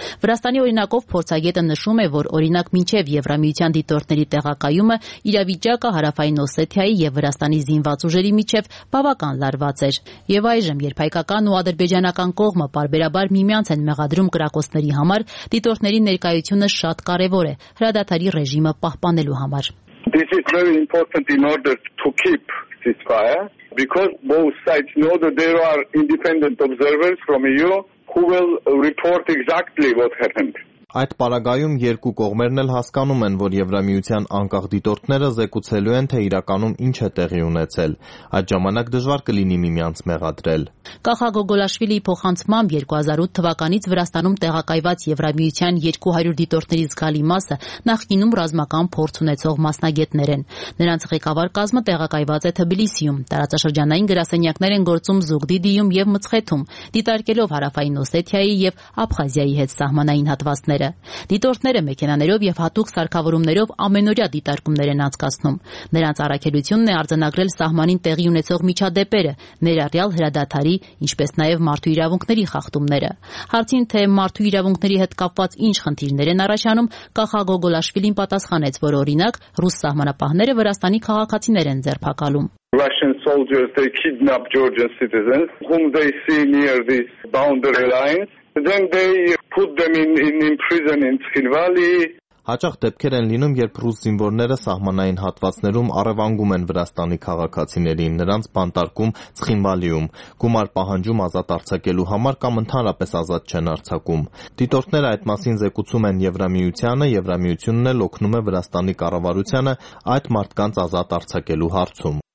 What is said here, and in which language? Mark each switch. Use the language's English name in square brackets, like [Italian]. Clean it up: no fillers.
[Armenian] Վրաստանի օրինակով փորձագետը նշում է, որ օրինակ մինչև Եվրամիության դիտորդների տեղակայումը իրավիճակը Հարավային Օսեթիայի և Վրաստանի զինված ուժերի միջև բավական լարված էր։ Եվ այժմ, երբ հայկական ու ադրբեջանական կողմը պարբերաբար միմյանց են մեղադրում կրակոցների համար, դիտորդների ներկայությունը շատ կարևոր է հրադադարի ռեժիմը պահպանելու համար։ [English] This is very important in order to keep ceasefire because both sides know that there are independent observers from EU who will report exactly what happened. [Armenian] Այդ պարագայում երկու կողմերն էլ հասկանում են, որ Եվրամիության անկախ դիտորդները զեկուցելու են, թե իրականում ինչ է տեղի ունեցել։ Այդ ժամանակ դժվար կլինի միմյանց մեղադրել։ Կախա Գոգոլաշվիլի փոխանցմամբ 2008 թվականից Վրաստանում տեղակայված Եվրամիության 200 դիտորդների զգալի մասը նախկինում ռազմական փորձ ունեցող մասնագետներ են։ Նրանց ղեկավար կազմը տեղակայված է Թբիլիսիում, տարածաշրջանային գրասենյակներ են գործում Զուգդիդիում և Մծխեթում, դիտարկելով Հարավային Օսեթիայի և Աբխազիայի հետ սահմանային հատվածը։ Դիտորդները մեքենաներով և հատուկ սարքավորումներով ամենօրյա դիտարկումներ են անցկացնում։ Նրանց առաքելությունն է արձանագրել սահմանին տեղի ունեցող միջադեպերը, ներառյալ հրադադարի, ինչպես նաև մարդու իրավունքների խախտումները։ Հարցին, թե մարդու իրավունքների հետ կապված ինչ խնդիրներ են առաջանում, Կախա Գոգոլաշվիլին պատասխանեց, որ օրինակ ռուս սահմանապահները Վրաստանի քաղաքացիներ են ձերբակալում։ [English] Russian soldiers, they kidnap Georgian citizens whom they see near this boundary line. Then they put them in prison in Skhivali. [Armenian] Հաճախ դեպքեր են լինում, երբ ռուս զինվորները սահմանային հատվածներում առևանգում են Վրաստանի քաղաքացիներին, նրանց բանտարկում Սխինվալիում, գումար պահանջում ազատ արձակելու համար կամ ընդհանրապես ազատ չեն արձակում։ Դիտորդները այդ մասին զեկուցում են Եվրամիությանը, Եվրամիությունն էլ օգնում է Վրաստանի կառավարությանը այդ մարդկանց ազատ արձակելու հարցում։